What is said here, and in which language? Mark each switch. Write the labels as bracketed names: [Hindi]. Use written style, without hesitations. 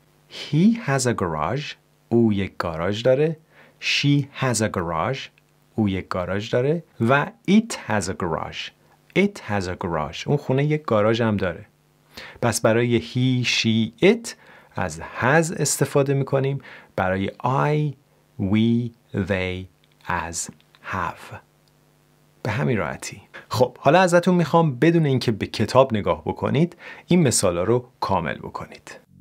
[English] He has a garage. [Persian] او یک گاراژ داره. [English] She has a garage. [Persian] او یک گاراژ داره. [English] و It has a garage. It has a garage. [Persian] اون خونه یک گاراژ هم داره. پس برای he, she, it از has استفاده میکنیم. برای I, we, they از have. به همین راحتی. خب حالا ازتون میخوام بدون اینکه به کتاب نگاه بکنید این مثالا رو کامل بکنید.